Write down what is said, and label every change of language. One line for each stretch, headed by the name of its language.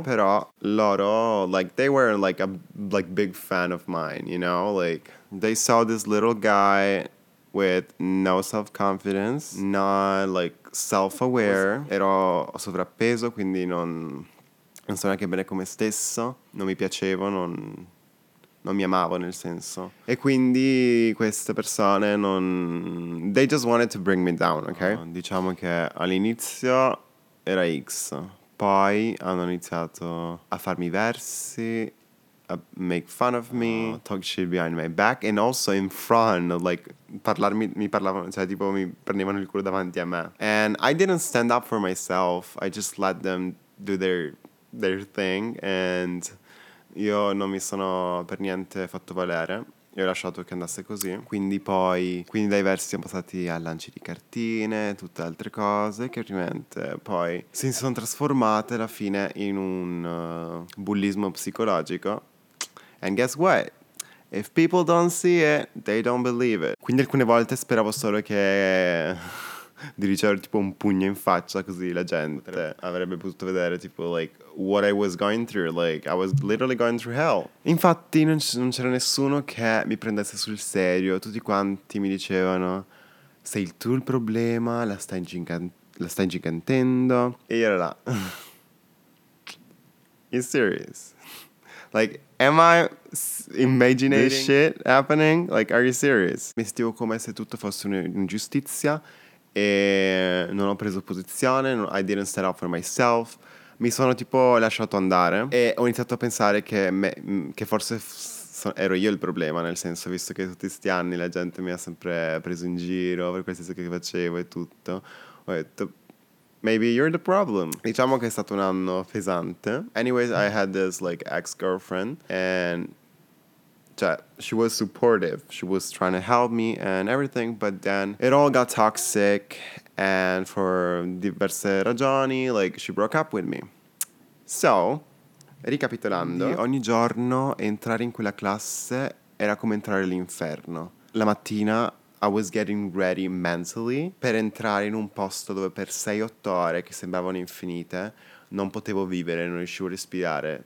Italian: Però loro,
English: like, they were like a like big fan of mine, you know? Like, they saw this little guy with no self-confidence, not, like, self-aware.
Italian: Ero sovrappeso, quindi non so neanche bene come stesso, non mi piacevo, non mi amavo nel senso. E quindi queste persone non...
English: They just wanted to bring me down, ok?
Italian: Diciamo che all'inizio era X, poi hanno iniziato a farmi versi, a
English: make fun of me, talk shit behind my back, and also in front,
Italian: like, mi parlavano, cioè tipo mi prendevano il culo davanti a me.
English: And I didn't stand up for myself, I just let them do their thing, and
Italian: io non mi sono per niente fatto valere. e ho lasciato che andasse così. Quindi poi, quindi dai versi siamo passati a lanci di cartine, tutte altre cose, che ovviamente poi si sono trasformate alla fine in un bullismo psicologico.
English: And guess what? If people don't see it, they don't believe it.
Italian: Quindi alcune volte speravo solo che di ricevere tipo un pugno in faccia, così la gente avrebbe potuto vedere tipo
English: like what I was going through, like I was literally going through hell.
Italian: Infatti non c'era nessuno che mi prendesse sul serio, tutti quanti mi dicevano sei tu il problema, la stai gigantendo, e io ero là
English: you serious? Like, am I imagining this shit happening? Like, are you serious?
Italian: Mi sentivo come se tutto fosse un'ingiustizia e non ho preso posizione,
English: I didn't stand up for myself.
Italian: Mi sono tipo lasciato andare e ho iniziato a pensare che, che forse ero io il problema, nel senso, visto che tutti questi anni la gente mi ha sempre preso in giro per qualsiasi cosa che facevo e tutto, ho detto
English: maybe you're the problem.
Italian: Diciamo che è stato un anno pesante.
English: Anyways, I had this like ex-girlfriend and cioè, she was supportive. She was trying to help me and everything, but then it all got toxic and for
Italian: diverse ragioni,
English: like she broke up with me.
Italian: So, ricapitolando, ogni giorno entrare in quella classe era come entrare all'inferno. La mattina
English: I was getting ready mentally
Italian: per entrare in un posto dove per 6-8 ore che sembravano infinite non potevo vivere, non riuscivo a respirare.